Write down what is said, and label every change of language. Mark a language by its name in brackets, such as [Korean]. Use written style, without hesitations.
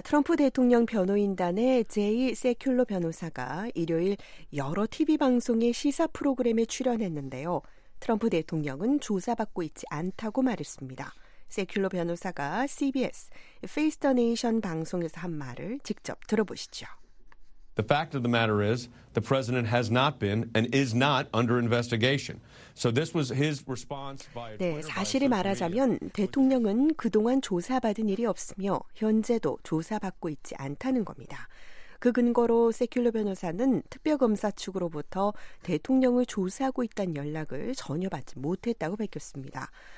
[Korean] 트럼프 대통령 변호인단의 제이 세큘로 변호사가 일요일 여러 TV 방송의 시사 프로그램에 출연했는데요. 트럼프 대통령은 조사받고 있지 않다고 말했습니다. 세큘러 변호사가 CBS, Face the Nation 방송에서 한 말을 직접 들어보시죠. [English] The fact of the matter is, the president has not been and is not under investigation. So this was his response by a Twitter. [Korean] 네, 사실을 말하자면 대통령은 그동안 조사받은 일이 없으며 현재도 조사받고 있지 않다는 겁니다. 그 근거로 세큘러 변호사는 특별검사 측으로부터 대통령을 조사하고 있다는 연락을 전혀 받지 못했다고 밝혔습니다.